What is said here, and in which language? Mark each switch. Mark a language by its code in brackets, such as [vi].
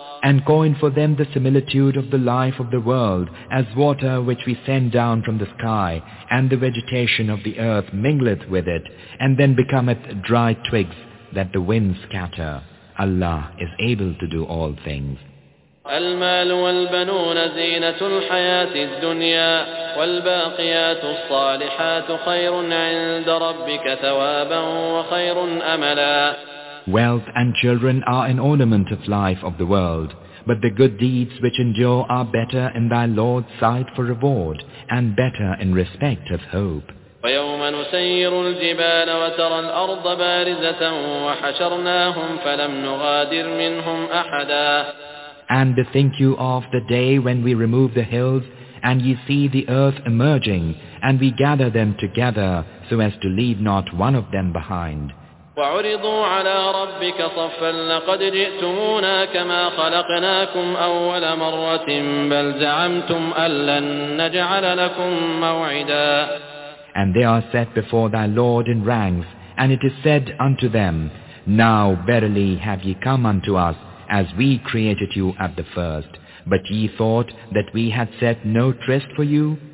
[en] And coin for them the similitude of the life of the world as water which we send down from the sky, and the vegetation of the earth mingleth with it, and then becometh dry twigs that the winds scatter. Allah is able to do all things. [ar] المال والبنون زينة الحياة الدنيا والباقيات الصالحات خير عند ربك ثوابا وخير أملا. [en] Wealth and children are an ornament of life of the world, but the good deeds which endure are better in thy Lord's sight for reward, and better in respect of hope. [ar] ويوم نسير الجبال وترى الأرض بارزة وحشرناهم فلم نغادر منهم أحدا. [en] And bethink you of the day when we remove the hills and ye see the earth emerging and we gather them together so as to leave not one of them behind. [ar] وعرضوا على ربك صفا لقد جئتمونا كما خلقناكم أول مرة بل زعمتم ألن نجعل لكم موعدا. [en] And they are set before thy Lord in ranks, and it is said unto them, Now verily have ye come unto us, as we created you at the first. But ye thought that we had set no tryst for you.